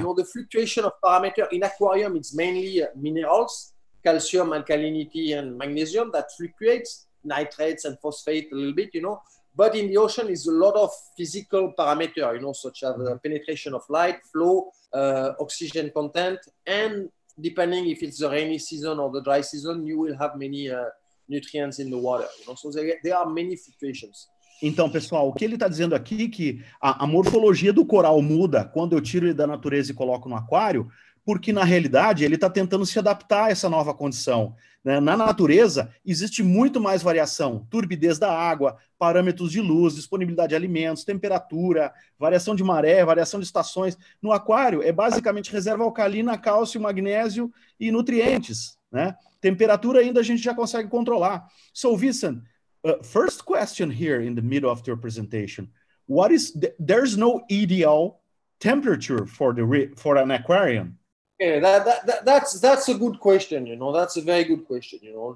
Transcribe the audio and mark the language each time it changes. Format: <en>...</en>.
<en>The fluctuation of parameter in aquarium is mainly minerals, calcium, alkalinity, and magnesium that fluctuates, nitrates and phosphate a little bit, But in the ocean is a lot of physical parameter, you know, such as the penetration of light, flow, oxygen content, and depending if it's the rainy season or the dry season, you will have many nutrients in the water. You know? So there are many fluctuations.</en> <pt>Então, pessoal, o que ele está dizendo aqui é que a morfologia do coral muda quando eu tiro ele da natureza e coloco no aquário, porque, na realidade, ele está tentando se adaptar a essa nova condição. Né? Na natureza, existe muito mais variação. Turbidez da água, parâmetros de luz, disponibilidade de alimentos, temperatura, variação de maré, variação de estações. No aquário, é basicamente reserva alcalina, cálcio, magnésio e nutrientes. Né? Temperatura ainda a gente já consegue controlar.</pt> <en>So, Vincent, first question here in the middle of your presentation. What is there's no ideal temperature for the for an aquarium? Yeah, that's a good question, you know. That's a very good question, you know.</en>